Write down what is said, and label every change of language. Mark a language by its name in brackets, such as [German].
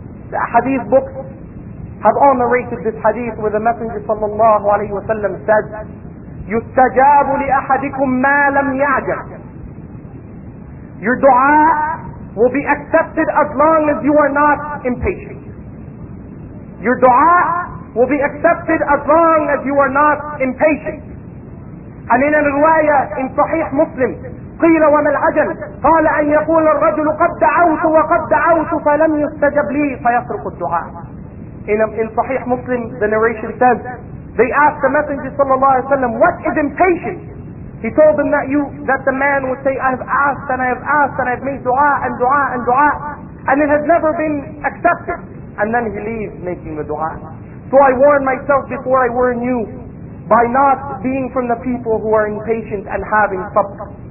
[English] The hadith books have all narrated this hadith where the Messenger sallallahu alayhi wa sallam said, [Arabic] يُسْتَجَابُ لِأَحَدِكُمْ مَا لَمْ يَعْجَبْ. [English] Your dua will be accepted as long as you are not impatient. Your dua will be accepted as long as you are not impatient. And in a riwayah in Sahih Muslim, [Arabic] قِيلَ وَمَا الْعَجَلُ قَالَ أَنْ يَقُولَ الرَّجُلُ قَدْ دَعَوْتُ وَقَدْ دَعَوْتُ فَلَمْ يُسْتَجَبْ لِي فَيَصْرُقُ الدُّعَاء. [English] In Sahih Muslim, the narration says, they asked the Messenger sallallahu alayhi wa sallam, what is impatience? He told them that the man would say, I have asked and I have asked and I have made dua and dua and dua, and it has never been accepted. And then he leaves making the dua. So I warn myself before I warn you, by not being from the people who are impatient and having sabr.